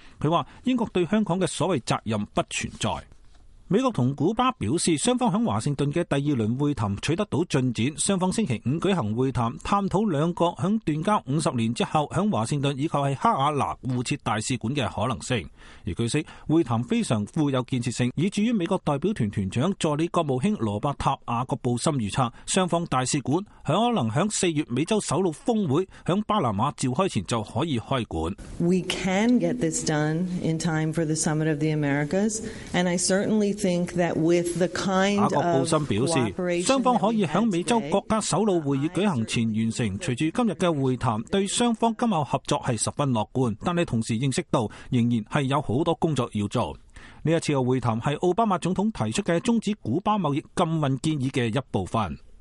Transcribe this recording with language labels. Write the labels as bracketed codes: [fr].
[zh] 他说英国对香港的所谓责任不存在。美国和古巴表示，双方在华盛顿的第二轮会谈取得到进展，双方星期五举行会谈，探讨两国在断交五十年之后在华盛顿以及在哈瓦那互设大使馆的可能性。而据悉，会谈非常富有建设性，以至于美国代表团团长助理国务卿罗伯塔·雅各布森预测，双方大使馆很可能在四月美洲首脑峰会在巴拿马召开前就可以开馆。 [en] We can get this done in time for the Summit of the Americas, and I certainly think that with the kind of [zh] 雅各布森表示，双方可以在美洲国家首脑会议举行前完成。随着今日的会谈，对双方今后合作是十分乐观，但是同时认识到仍然是有很多工作要做。这次的会谈是奥巴马总统提出的终止古巴贸易禁运建议的一部分。